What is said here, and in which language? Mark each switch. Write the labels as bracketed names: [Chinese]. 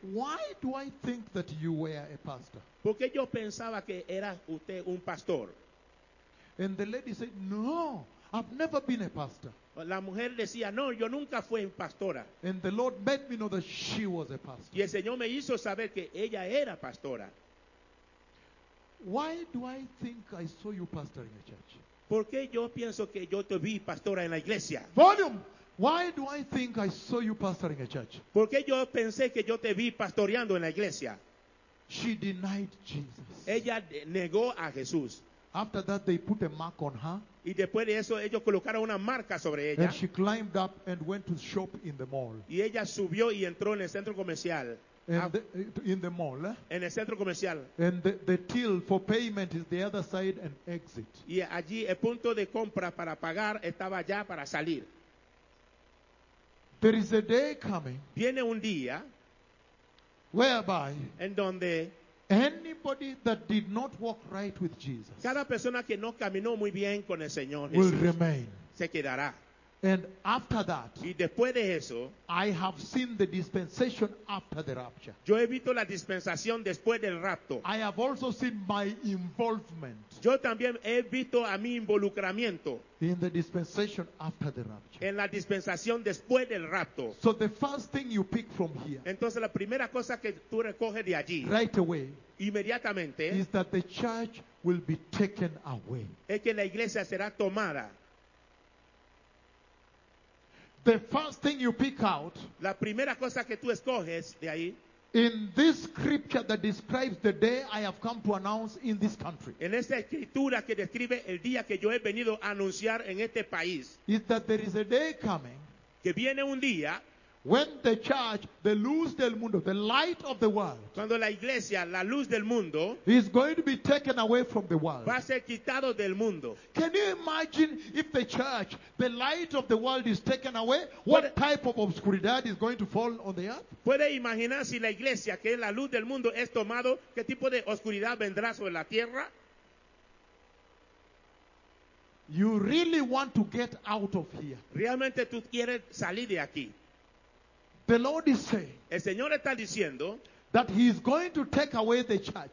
[English] Why do I think that you were a pastor? [Spanish] Porque yo pensaba que era usted un pastor. [English] And the lady said, "No, I've never been a pastor." [Spanish] La mujer decía, "No, yo nunca fui pastora." [English] And the Lord made me know that she was a pastor. [Spanish] Y el Señor me hizo saber que ella era pastora. [English] Why do I think I saw you pastoring a church? [Spanish] ¿Por qué yo pienso que yo te vi pastora en la iglesia? [English] Volume. Why do I think I saw you pastoring a church? [Spanish] ¿Por qué yo pensé que yo te vi pastoreando en la iglesia? [English] She denied Jesus. [Spanish] Ella negó a Jesús. [English] After that, they put a mark on her. [Spanish] Y después de eso, ellos colocaron una marca sobre ella. [English] And she climbed up and went to shop in the mall. [Spanish] Y ella subió y entró en el centro comercial. [English] In the mall. [Spanish] En el centro comercial. [English] And the till for payment is the other side and exit. [Spanish] Y allí el punto de compra para pagar estaba ya para salir. [English] There is a day coming. [Spanish] Viene un día. [English] Whereby. [Spanish] En donde. [English] Anybody that did not walk right with Jesus. [Spanish] Cada persona que no caminó muy bien con el Señor. [English] Will [Spanish] Jesús [English] remain. [Spanish] Se quedará. [English] And after that, [Spanish] y después de eso, [English] I have seen the dispensation after the rapture. [Spanish] Yo he visto la dispensación después del rapto. [English] I have also seen my involvement. [Spanish] Yo también he visto a mi involucramiento [English] in the dispensation after the rapture. [Spanish] En la dispensación después del rapto. [English] So the first thing you pick from here, [Spanish] entonces la primera cosa que tú recoges de allí, [English] right away, [Spanish] inmediatamente, [English] is that the church will be taken away. [Spanish] Es que la iglesia será tomada. [English] The first thing you pick out, [Spanish] la primera cosa que tú escoges de ahí, [English] in this scripture that describes the day I have come to announce in this country, [Spanish] en esta escritura que describe el día que yo he venido a anunciar en este país, [English] is that there is a day coming, [Spanish] que viene un día, [English] when the church, the [Spanish] luz del mundo, [English] the light of the world, [Spanish] cuando la iglesia, la luz del mundo, [English] is going to be taken away from the world, [Spanish] va a ser quitado del mundo. [English] Can you imagine if the church, the light of the world, is taken away? What type of obscuridad is going to fall on the earth? [Spanish] ¿Puede imaginar si la iglesia, que es la luz del mundo, es tomado, qué tipo de oscuridad vendrá sobre la tierra? [English] You really want to get out of here. [Spanish] Realmente tú quieres salir de aquí. [English] The Lord is saying, [Spanish] el Señor está diciendo, [English] that he is going to take away the church.